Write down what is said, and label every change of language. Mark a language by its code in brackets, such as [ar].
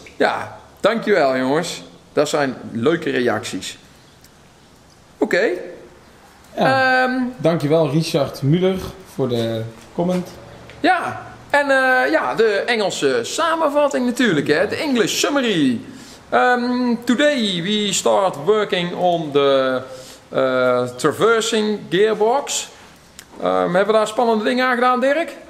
[nl] Ja, dankjewel jongens. Dat zijn leuke reacties. Oké. Okay. Ja. Dankjewel Richard Muller voor de comment. Ja, en de Engelse samenvatting natuurlijk. Hè? De [en] English summary. Today we start working on the traversing gearbox. [nl] Hebben we daar spannende dingen aan gedaan, Dirk?